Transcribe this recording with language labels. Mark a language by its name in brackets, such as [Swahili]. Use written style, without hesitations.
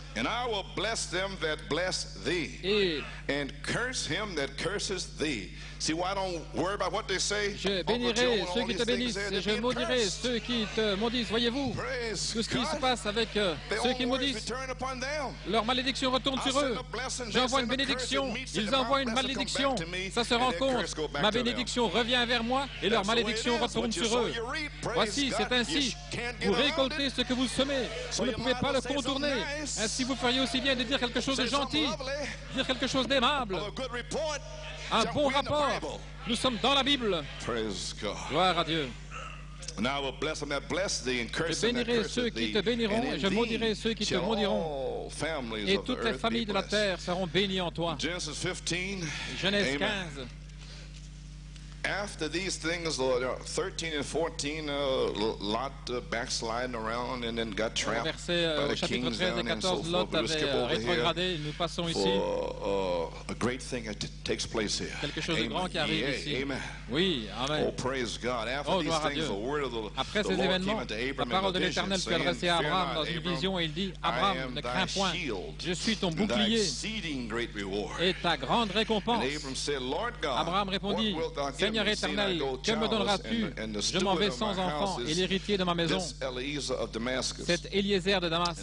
[English] And I will bless them that bless thee, [French] et [English] and curse him that curses thee. See, why don't worry about what they say? [French] Je bénirai ceux qui te bénissent, et je maudirai ceux qui te maudissent. Voyez-vous, [English] praise [French] tout ce qui [English] God. [French] Se passe avec ceux qui maudissent, leur malédiction retourne sur eux. J'envoie une bénédiction, ils envoient une malédiction, ça se rencontre. Ma bénédiction revient vers moi, et leur malédiction retourne sur eux. Voici, c'est ainsi. Vous récoltez ce que vous semez, vous ne pouvez pas le contourner. Ainsi, vous feriez aussi bien de dire quelque chose de gentil, dire quelque chose d'aimable. Un bon rapport. Nous sommes dans la Bible. [English] Praise God. [French] Gloire à Dieu. [English] Now I will bless them that bless thee and curse [French] je bénirai ceux qui te béniront et je maudirai ceux qui te maudiront. Et toutes les familles de la terre seront bénies en toi. [English] Genesis 15. [French] Genèse 15. [English] After these things, Lord, 13 and 14, Lot backsliding around and then got trapped by the kings down and so forth. We'll skip over here for a great thing that takes place here. [French] Quelque chose de grand qui arrive ici. Amen. Oui, amen. [English] Oh, praise God. After these things, the word of the Lord came unto Abram in a vision, saying, Fear not, Abram, [French] dans une vision, et il dit, Abraham, ne crains point. Je suis ton bouclier et ta grande récompense. Abraham répondit, Seigneur éternel, que me donneras-tu? Je m'en vais sans enfant et l'héritier de ma maison, cet Éliezer de Damas.